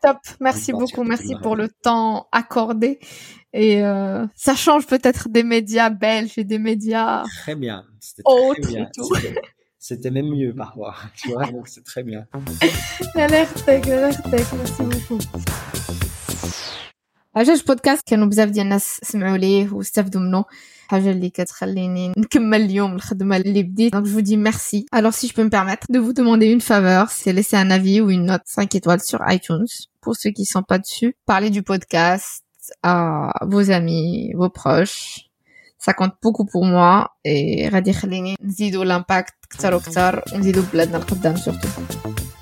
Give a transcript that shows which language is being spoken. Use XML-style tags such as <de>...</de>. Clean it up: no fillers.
<fr>Top, merci beaucoup, merci pour le temps accordé. Et ça change peut-être des médias belges et des médias très bien. Autres très bien. Et tout. C'était même mieux parfois, tu vois, donc c'est très bien. L'air tech, merci beaucoup.</fr> <ar>حاجة البودكاست كانوا بزاف ديال الناس سمعوا ليه واستفدوا منه حاجة اللي كتخليني نكمل اليوم الخدمة اللي بديت</ar> <fr>donc je vous dis merci. Alors si je peux me permettre de vous demander une faveur, c'est laisser un avis ou une note 5 étoiles sur iTunes pour ceux qui sont pas dessus. Parlez du podcast à vos amis, vos proches. Ça compte beaucoup pour moi et</fr> <ar>غادي يخليني نزيدو</ar> <fr>l'impact</fr> <ar>كثر وكثر ونزيدو بلادنا القدام</ar> <fr>surtout.</fr>